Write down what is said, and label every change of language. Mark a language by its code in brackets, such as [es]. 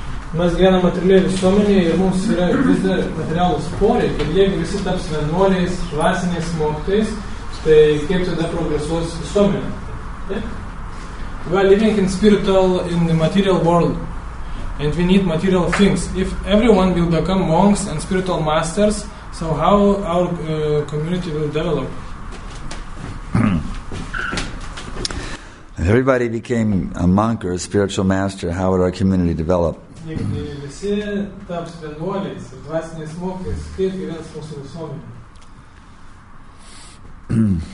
[lt] Mes gyvename materialiai visuomenėje ir mums yra vis dar materialus poreikis. Ir jeigu visi taps vienuoliais, dvasiniais mokytojais, tai kaip tada progresuos visuomenė? [en] We are living in spiritual, in the material world, and we need material things. If everyone will become monks and spiritual masters, so how our community will develop? If everybody became a monk or a spiritual master, how would our community develop? [lt] visi taps vienuoliais, dvasiniais mokytojais, kaip gyvens mūsų visuomenė.